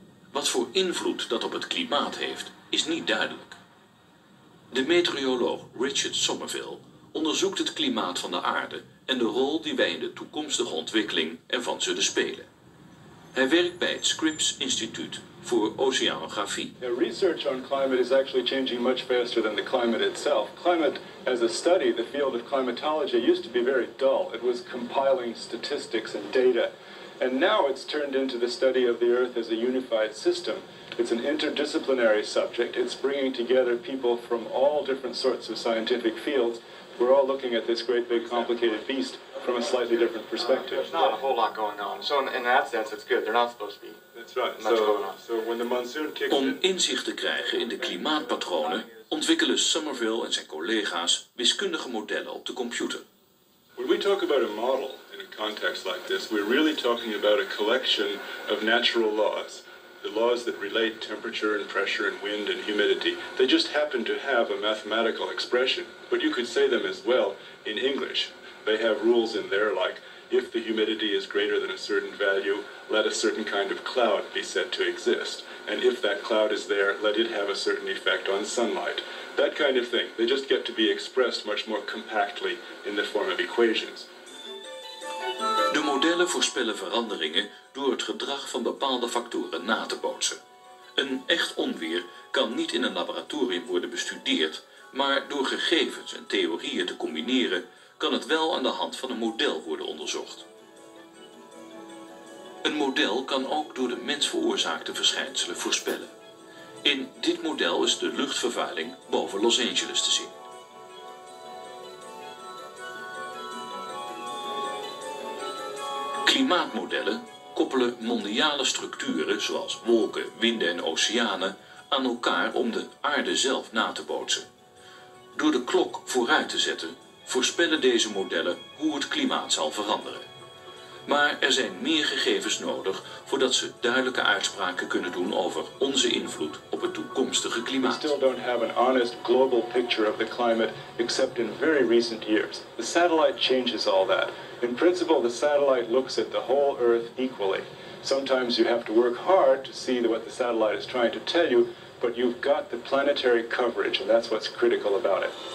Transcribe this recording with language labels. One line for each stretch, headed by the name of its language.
Dutch: Wat voor invloed dat op het klimaat heeft, is niet duidelijk. De meteoroloog Richard Somerville onderzoekt het klimaat van de aarde en de rol die wij in de toekomstige ontwikkeling ervan zullen spelen. Hij werkt bij het Scripps Instituut voor Oceanografie.
English: Research on climate is actually changing much faster than the climate itself. Climate as a study, the field of climatology, used to be very dull. It was compiling statistics and data. And now it's turned into the study of the Earth as a unified system. It's an interdisciplinary subject. It's bringing together people from all different sorts of scientific fields. We're all looking at this great big complicated beast from a slightly different perspective. There's not a whole lot going on. So in that sense, it's good. They're not supposed to be. That's right. Much going on. So when the monsoon kicks in.
Dutch: Om inzicht te krijgen in de klimaatpatronen, ontwikkelen Somerville en zijn collega's wiskundige modellen op de computer.
English: When we talk about a model in a context like this, we're really talking about a collection of natural laws. The laws that relate temperature and pressure and wind and humidity, they just happen to have a mathematical expression. But you could say them as well in English. They have rules in there like, if the humidity is greater than a certain value, let a certain kind of cloud be said to exist. And if that cloud is there, let it have a certain effect on sunlight. That kind of thing. They just get to be expressed much more compactly in the form of equations.
Dutch: De modellen voorspellen veranderingen door het gedrag van bepaalde factoren na te bootsen. Een echt onweer kan niet in een laboratorium worden bestudeerd, maar door gegevens en theorieën te combineren, kan het wel aan de hand van een model worden onderzocht. Een model kan ook door de mens veroorzaakte verschijnselen voorspellen. In dit model is de luchtvervuiling boven Los Angeles te zien. Klimaatmodellen koppelen mondiale structuren zoals wolken, winden en oceanen aan elkaar om de aarde zelf na te bootsen. Door de klok vooruit te zetten, voorspellen deze modellen hoe het klimaat zal veranderen. Maar er zijn meer gegevens nodig voordat ze duidelijke uitspraken kunnen doen over onze invloed op het toekomstige klimaat.
English: We still don't have an honest global picture of the climate, except in very recent years. The satellite changes all that. In principle, the satellite looks at the whole Earth equally. Sometimes you have to work hard to see what the satellite is trying to tell you, but you've got the planetary coverage, and that's what's critical about it.